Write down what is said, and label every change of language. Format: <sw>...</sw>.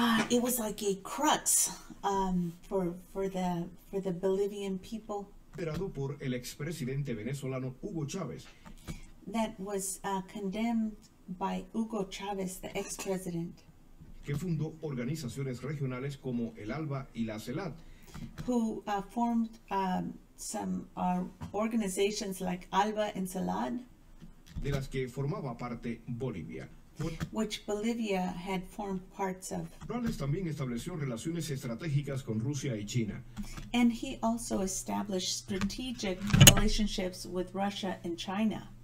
<en>it was like a crux for the Bolivian people.</en> <es>Liderado por el expresidente venezolano Hugo Chávez.</es> <en>That was condemned by Hugo Chávez, the ex-president.</en> <es>Que fundó organizaciones regionales como el ALBA y la CELAT.</es> <en>Who formed some organizations like ALBA and CELAT.</en> <es>De las que formaba parte Bolivia.</es> <en>Which Bolivia had formed parts of.</en> <es>Morales también estableció relaciones estratégicas con Rusia y China.</es> <en>And he also established strategic relationships with Russia and China.</en>